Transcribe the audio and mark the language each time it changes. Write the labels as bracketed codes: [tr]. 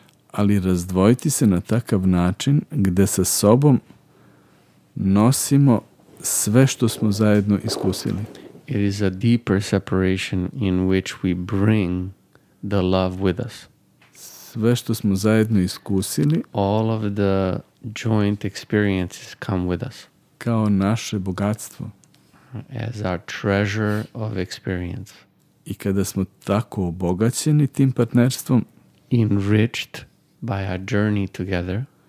[sr] Ali razdvojiti se na takav način gde sa sobom nosimo sve što smo zajedno iskusili. [en] It is a deeper separation in which we bring the love with us. [sr] Sve što smo zajedno iskusili, [en] all of the joint experiences come with us. [sr] Kao naše bogatstvo. [en] As our treasure of experience. [sr] I kada smo tako obogaćeni tim partnerstvom, [en] enriched by our journey together,